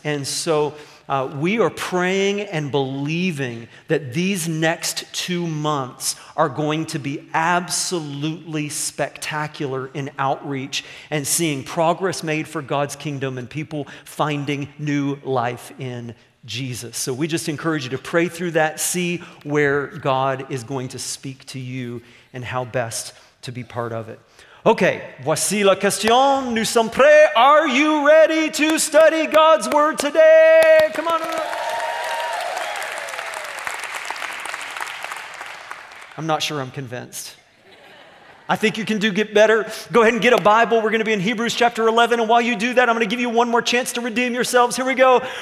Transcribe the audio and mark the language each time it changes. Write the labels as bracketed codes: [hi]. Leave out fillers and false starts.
[en] And so we are praying and believing that these next 2 months are going to be absolutely spectacular in outreach and seeing progress made for God's kingdom and people finding new life in Jesus. So we just encourage you to pray through that, see where God is going to speak to you and how best to be part of it. [fr] Okay, voici la question, nous sommes prêts. [en] Are you ready to study God's word today? Come on up. I'm not sure I'm convinced. I think you can do get better. Go ahead and get a Bible. We're going to be in Hebrews chapter 11. And while you do that, I'm going to give you one more chance to redeem yourselves. Here we go.